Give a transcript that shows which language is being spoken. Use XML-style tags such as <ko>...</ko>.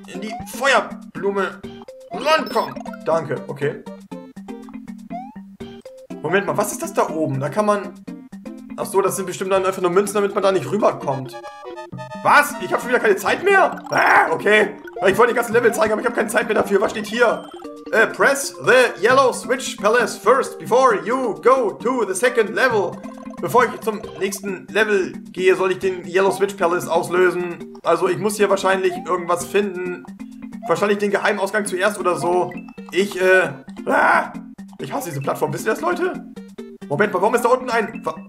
<de>in die Feuerblume rankommen. Danke, okay. Moment mal, was ist das da oben? Da kann man... Ach so, das sind bestimmt dann einfach nur Münzen, damit man da nicht rüberkommt. Was? Ich habe schon wieder keine Zeit mehr? Okay. Ich wollte die ganzen Level zeigen, aber ich habe keine Zeit mehr dafür. Was steht hier?</de> <en>Press the yellow switch palace first, before you go to the second level.</en> <de>Bevor ich zum nächsten Level gehe, soll ich den Yellow Switch Palace auslösen. Also ich muss hier wahrscheinlich irgendwas finden. Wahrscheinlich den Geheimausgang zuerst oder so. Ich hasse diese Plattform. Wisst ihr das, Leute? Moment mal, warum ist da unten ein...</de>